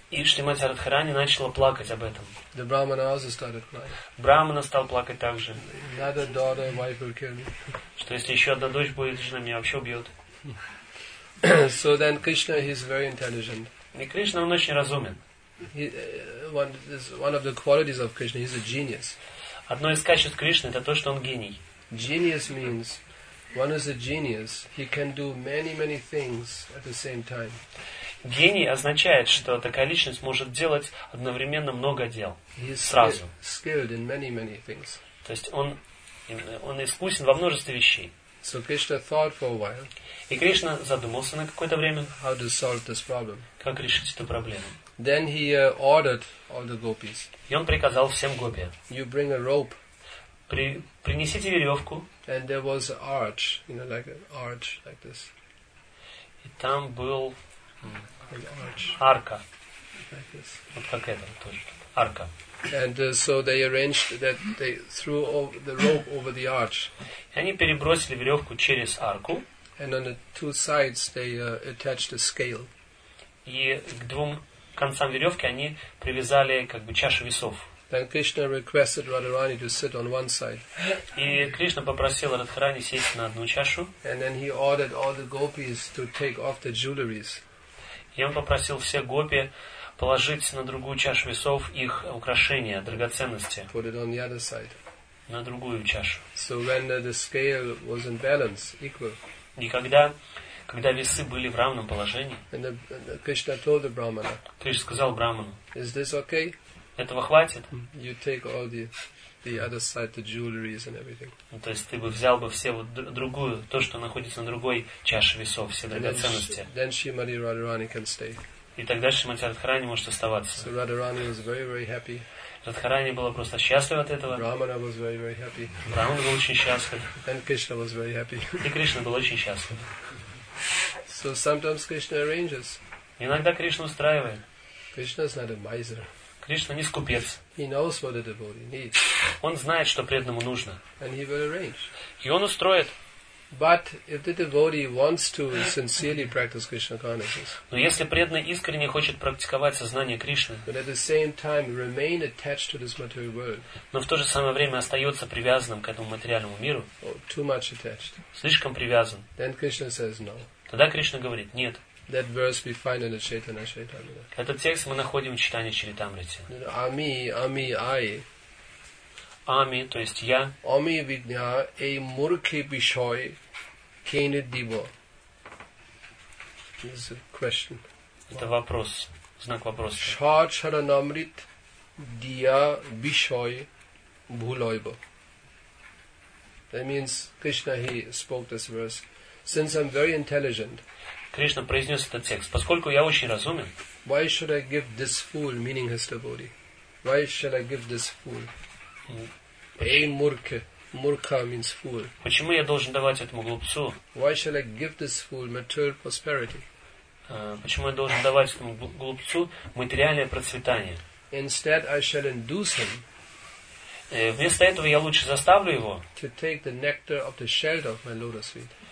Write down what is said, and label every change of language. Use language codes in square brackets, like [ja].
[ru] И Шримати Радхарани начала плакать об этом. [en] The Brahmana also started crying. [ru] Брахмана стал плакать также. [en] Another daughter, wife will kill me. [ru] Что если еще одна дочь будет, жена меня вообще убьет. [en] So then Krishna, he is very intelligent. [ru] И Кришна, он очень разумен. [en] One of the qualities of Krishna, he is a genius. [ru] Одно из качеств Кришны — это то, что он гений. [en] Genius means one is a genius. He can do many, many things at the same time. [ru] Гений означает, что такая личность может делать одновременно много дел сразу. [en] Skilled in many, many things. [ru] То есть он искусен во множестве вещей. [en] So Krishna thought for a while. [ru] И Кришна задумался на какое-то время. [en] How to solve this problem? [ru] Как решить эту проблему? [en] Then he ordered all the gopis. [ru] И он приказал всем гопи. [en] You bring a rope. [ru] Принесите веревку. [en] And there was an arch, you know, like an arch like this. [ru] И там был [en] arch. [ru] Арка. [en] Like this. [ru] Вот как это тоже. Арка. [en] And so they arranged that they threw the rope over the arch. [ru] И они перебросили веревку через арку. [en] And on the two sides they attached a scale. [ru] И к двум концам веревки они привязали как бы чашу весов. [en] Then Krishna requested Radharani to sit on one side. [ru] И Кришна попросил Радхарани сесть на одну чашу. [en] And then he ordered all the gopis to take off the jewelries. [ru] И он попросил все гопи положить на другую чашу весов их украшения, драгоценности. [en] Put it on the other side. [ru] На другую чашу. [en] So when the scale was in balance, equal. [ru] И когда весы были в равном положении. [en] And the Krishna told the brahmana. [ru] Кришна сказал брахману. [en] Is this okay? [ru] Этого хватит? [en] You take all the other side, the jewelries and everything. [ru] Ну, то есть ты бы взял бы все вот другую, то, что находится на другой чаше весов, все драгоценности. [en] Then Shrimati Radharani can stay. [ru] И тогда Шримати Радхарани может оставаться. [en] So Radharani was very, very happy. [ru] Радхарани была просто счастлива от этого. [en] Рамана was very, very happy. [ru] Рамана был очень счастлив. [en] And Krishna was very happy. [ru] И Кришна был очень счастлив. [en] So sometimes Krishna arranges. [ru] Иногда Кришна устраивает. [en] Krishna is not a miser. [ru] Кришна не скупец. [en] He knows what a devotee needs. [ru] Он знает, что преданному нужно. [en] And he will arrange. [ru] И он устроит. [en] But if the devotee wants to sincerely practice Krishna consciousness, [ru] но если преданный искренне хочет практиковать сознание Кришны, [en] but at the same time remain attached to this material world, [ru] но в то же самое время остается привязанным к этому материальному миру, [en] too much attached, [ru] слишком привязан, [en] then Krishna says no. [ru] Тогда Кришна говорит нет. [en] That verse we find in the Chaitanya Charitamrita. [ru] Этот текст мы находим в Чайтанья Чаритамрите. [bn] Ами, ами, ай. [ru] Ами, то есть я. [bn] Ами видня, э мурке бишой, кене диво. [en] This is a question. [ru] Это вопрос, знак вопроса. [bn] Ша чаранамрит диа бишой бхулойбо. [en] That means Krishna, he spoke this verse. Since I'm very intelligent. [ru] Кришна произнес этот текст. Поскольку я очень разумен. [en] Why should I give this fool, meaning his devotee? Why should I give this fool? [bn] Эй, мурке. [en] Мурка means fool. [ru] Почему я должен давать этому глупцу? [en] Why should I give this fool material prosperity? [ru] Почему я должен давать этому глупцу материальное процветание? [en] Instead, I shall induce him. [ru] Вместо этого я лучше заставлю его. [en] To take the nectar of the shelter of my lotus feet.